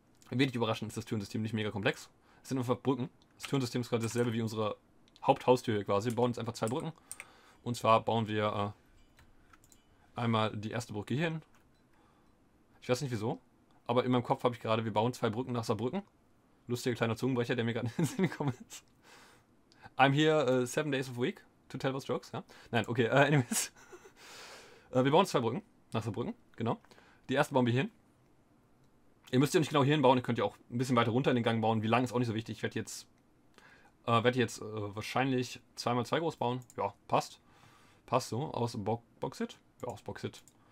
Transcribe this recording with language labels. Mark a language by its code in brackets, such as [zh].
[de] Wenig überraschend ist das Türensystem nicht mega komplex. Es sind einfach Brücken. Das Türensystem ist quasi dasselbe wie unsere Haupthaustür hier quasi. Wir bauen jetzt einfach zwei Brücken. Und zwar bauen wir einmal die erste Brücke hier hin. Ich weiß nicht wieso, aber in meinem Kopf habe ich gerade, wir bauen zwei Brücken nach Saarbrücken. Lustiger kleiner Zungenbrecher, der mir gerade in den Sinn gekommen ist. [en] I'm here 7 days of week to tell those jokes, ja? [de] Nein, okay, anyways. Wir bauen zwei Brücken nach Saarbrücken, genau. Die erste bauen wir hier hin. Ihr müsst ja nicht genau hier hinbauen, ihr könnt ja auch ein bisschen weiter runter in den Gang bauen. Wie lang ist auch nicht so wichtig. Ich werde jetzt Werde jetzt wahrscheinlich 2x2 groß bauen. Ja, passt. Passt so. Aus Bauxit. Ja, aus Bauxit.